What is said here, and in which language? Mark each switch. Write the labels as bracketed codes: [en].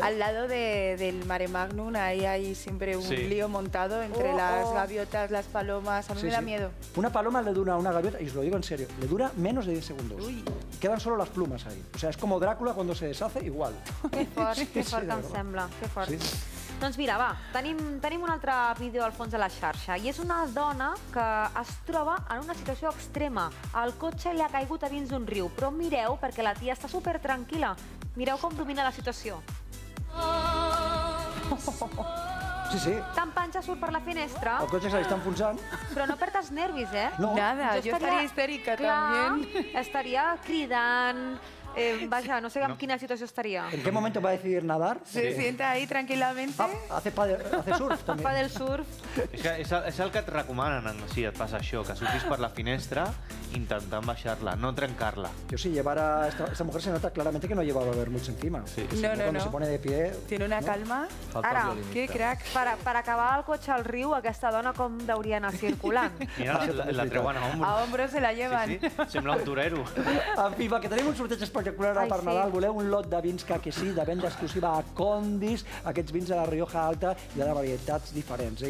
[es] Al lado del Mare Magnum, ahí hay siempre un lío montado entre las gaviotas, las palomas... A mí me da miedo. Una paloma le dura a una gaviota, y os lo digo en serio, le dura menos de 10 segundos. Quedan solo las plumas ahí. O sea, es como Drácula cuando se deshace, igual. [ca] Qué fort que em sembla, qué fort. Doncs mira, va, tenim un altre vídeo al fons de la xarxa i és una dona que es troba en una situació extrema. El cotxe li ha caigut a dins d'un riu, però mireu, perquè la tia està supertranquil·la. Mireu com domina la situació. Sí, sí. Tan panxa surt per la finestra. El cotxe se li està enfonsant. Però no perds nervis, eh? No. Nada, jo estaria histèrica, també. Estaria cridant... vaja, no sé en quina situació estaria. [es] ¿En qué momento va a decidir nadar? Se sienta ahí tranquilamente. Hace surf, també. [ca] Fa del surf. És el que et recomanen, si et passa això, que surtis per la finestra intentant baixar-la, no trencar-la. [es] Yo sí, llevara... Esta mujer se nota claramente que no llevaba vermuts encima. No, no, no. Cuando se pone de pie... Tiene una calma. [ca] Ara, qué crack. Per acabar el cotxe al riu, aquesta dona com deuria anar circulant? [es] Mira, la treuen a hombros. A hombros se la llevan. [ca] Sembla un torero. En fi, va, que tenim un sorteig espectacular per Nadal. Voleu un lot de vins que sí, de venda exclusiva a Condis, aquests vins de la Rioja Alta, hi ha de varietats diferents.